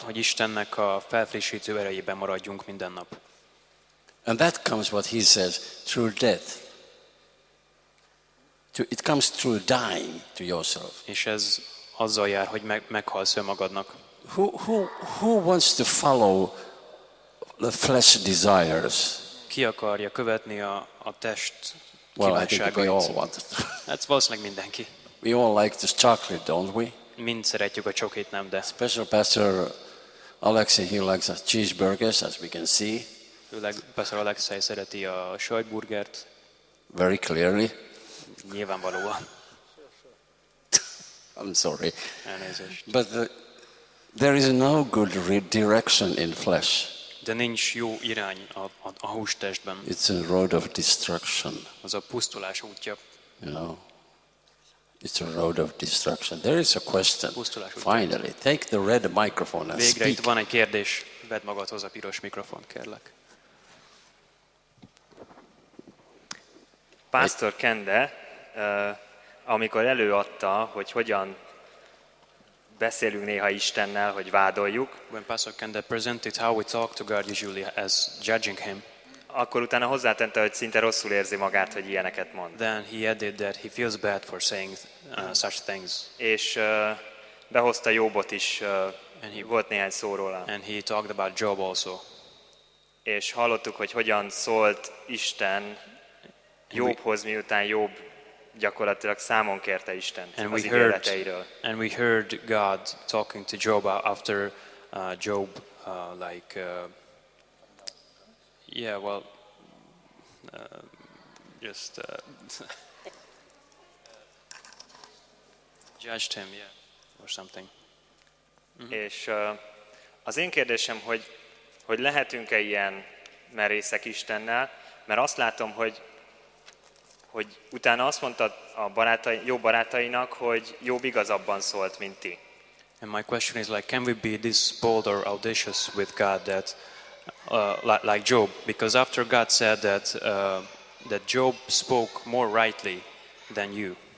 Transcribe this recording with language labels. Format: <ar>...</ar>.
<hu>Hogy Istennek a felfrissítő erejében maradjunk minden nap.</hu> <en>And that comes what he says through death. It comes through dying to yourself.</en> <hu>És ez azzal jár, hogy meghalsz önmagadnak.</hu> <en>Who wants to follow the flesh desires?</en> <hu>Ki akarja követni a test kívánságait?</hu> <en>Well, I think we all want it. That's</en> <hu>valószínűleg mindenki.</hu> <en>We all like this chocolate, don't we?</en> <hu>Mind szeretjük a csokit, nem de.</hu> <en>Special Pastor Alexei, he likes cheeseburgers, as we can see.</en> <hu>Főleg Pastor Alexei szereti a sajtburgert.</hu> <en>Very clearly.</en> <hu>Nyilvánvalóan.</hu> <en>I'm sorry.</en> <hu>Elnézést.</hu> <en>But there is no good direction in flesh.</en> <hu>De nincs jó irány a hústestben.</hu> <en>It's a road of destruction.</en> <hu>Az a pusztulás útja.</hu> <en>You know. It's a road of destruction. There is a question.</en> <hu>Pusztulás.</hu> <en>Finally, take the red microphone and</en> <hu>végre</hu> <en>speak.</en> <hu>Végre itt van egy kérdés. Vedd magadhoz a piros mikrofon, kérlek. Pastor Kende, amikor előadta, hogy hogyan beszélünk néha Istennel, hogy vádoljuk.</hu> <en>When Pastor Kende presented how we talk to God usually as judging him.</en> <hu>Akkor utána hozzátente, hogy szinte rosszul érzi magát, hogy ilyeneket mond.</hu> <en>Then he added that he feels bad for saying such things.</en> <hu>És behozta Jobot is, volt néhány szó róla.</hu> <en>And he talked about Job also.</en> <hu>És hallottuk, hogy hogyan szólt Isten Jobhoz, miután Job gyakorlatilag számon kérte Istent az ítéleteiről.</hu> <en>And we heard God talking to Job after Job like yeah, well, just judged him, yeah, or something. Mm-hmm.</en> <hu>És az én kérdésem, hogy lehetünk-e ilyen merészek Istennel, mert azt látom, hogy utána azt mondta a barátai, jó barátainak, hogy Jobb igazabban szólt, mint ti.</hu> <en>And my question is like, can we be this bold or audacious with God that like Job, because after God said that that Job spoke more rightly than you,</en>